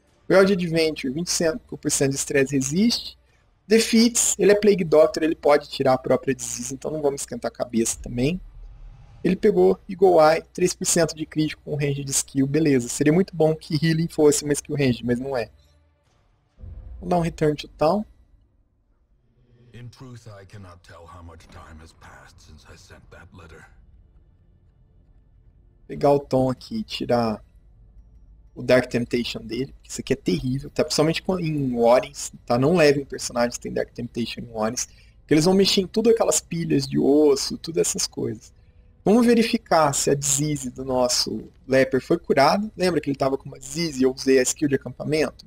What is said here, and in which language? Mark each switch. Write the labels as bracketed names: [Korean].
[Portuguese] World Adventure, 25% de stress resist. Defeats, ele é Plague Doctor, ele pode tirar a própria Dizzy, então não vamos esquentar a cabeça também. Ele pegou Eagle Eye, 3% de crítico com range de skill, beleza. Seria muito bom que Healing fosse uma skill range, mas não é. Vamos dar um Return to Town. [English] In truth, I cannot tell how much time has passed since I sent that letter. [Portuguese] Pegar o Tom aqui e tirar o Dark Temptation dele. Isso aqui é terrível. Tá? Principalmente em Warrens. Tá? Não levem personagens que tem Dark Temptation em Warrens. Porque eles vão mexer em tudo aquelas pilhas de osso, tudo essas coisas. Vamos verificar se a disease do nosso Leper foi curada. Lembra que ele estava com uma disease e eu usei a skill de acampamento?